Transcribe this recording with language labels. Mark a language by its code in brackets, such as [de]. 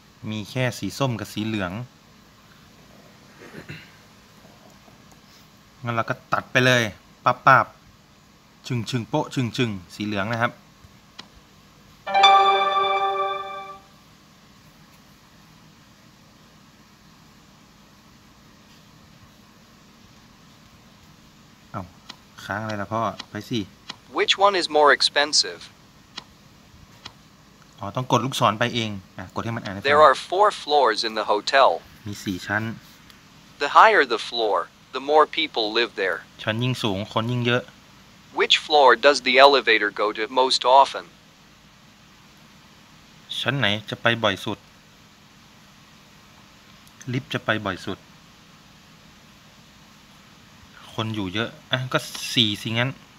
[th] มีแค่สีส้มกับสีเหลืองงั้นเราก็ตัดไปเลยปับปับชึงชึงโป๊ะชึงชึงสีเหลืองนะครับค้างอะไรล่ะพ่อไปสิ [en] Which one is more expensive? [th] ต้องกดลูกศรไปเองกดให้มันอ่านให้ฟัง [en] There are four floors in the hotel. [th] มี4ชั้น [en] The higher the floor, the more people live there. [th] ชั้นยิ่งสูงคนยิ่งเยอะ [en] Which floor does the elevator go to most often? [th] ชั้นไหนจะไปบ่อยสุดลิฟต์จะไปบ่อยสุดคนอยู่เยอะอ่ะก็4สิงั้น